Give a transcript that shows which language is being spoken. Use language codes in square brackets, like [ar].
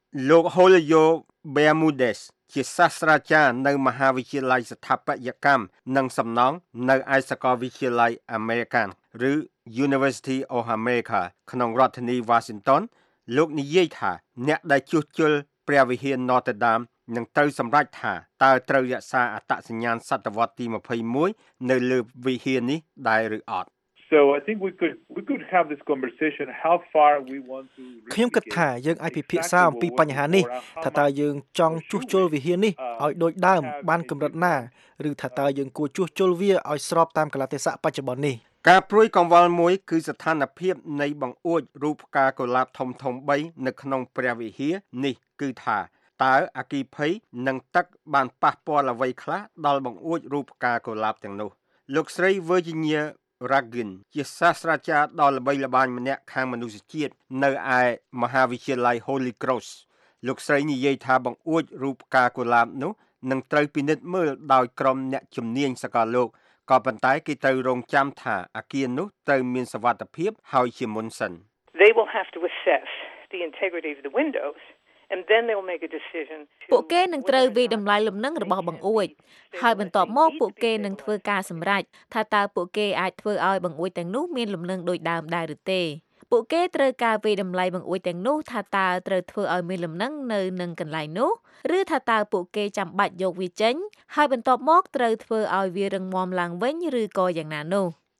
[km] លោក Julio Bermudesជាសាស្ត្រាចារ្យនៅមហាវិទ្យាល័យស្ថាបត្យកម្មនិងសំណង់នៅឯសាកលវិទ្យាល័យ American ឬ University of America ក្នុងរដ្ឋធានី Washington លោកនិយាយថាអ្នកដែលជួសជុលព្រះវិហារ Notre Dame នឹងត្រូវសម្រេចថាតើត្រូវរក្សាអត្តសញ្ញាណសតវត្សទី21នៅលើវិហារនេះដែរឬអត់ [en] So I think we could have this conversation how far we want to [km] ខ្ញុំគិតថាយើងអាចពិភាក្សាអំពីបញ្ហានេះថាតើយើងចង់ជួសជុលវិហារនេះឲ្យដូចដើមបានកម្រិតណាឬថាតើយើងគួរជួសជុលវាឲ្យស្របតាមកាលៈទេសៈបច្ចុប្បន្ននេះ ការព្រួយកង្វល់មួយគឺស្ថានភាពនៃបង្អួចរូបផ្កាកុលាបធំធំ3នៅក្នុងព្រះវិហារនេះគឺថាតើអគីភ័យនិងទឹកបានប៉ះពាល់អ្វីខ្លះដល់បង្អួចរូបផ្កាកុលាបទាំងនោះលោកស្រី Virginia Ragin ជាសាស្ត្រាចារ្យដ៏ល្បីល្បាញម្នាក់ខាងមនុស្សជាតិនៅឯមហាវិទ្យាល័យ Holy Cross លោកស្រីនិយាយថាបង្អួចរូបផ្កាកុលាបនោះនឹងត្រូវពិនិត្យមើលដោយក្រុមអ្នកជំនាញសកលលោកក៏ប៉ុន្តែគេត្រូវរង់ចាំថាអគារនោះត្រូវមានសុវត្ថិភាពហើយជាមុនសិន [en] They will have to assess the integrity of the windowsAnd then they'll make a decision. [km] ពួកគេនឹងត្រូវវិដំឡៃលំនឹងរបស់បង្អួចហើយបន្ទាប់មកពួកគេនឹងធ្វើការសម្រេចថាតើពួកគេអាចធ្វើឲ្យបង្អួចទាំងនោះមានលំនឹងដូចដើមដែរឬទេ។ពួកគេត្រូវការវិដំឡៃបង្អួចទាំងនោះថាតើត្រូវធ្វើឲ្យមានលំនឹងនៅនឹងកន្លែងនោះឬថាតើពួកគេចាំបាច់យកវាចេញហើយបន្ទាប់មកត្រូវធ្វើឲ្យវារឹងមាំឡើងវិញឬក៏យ៉ាងណានោះ។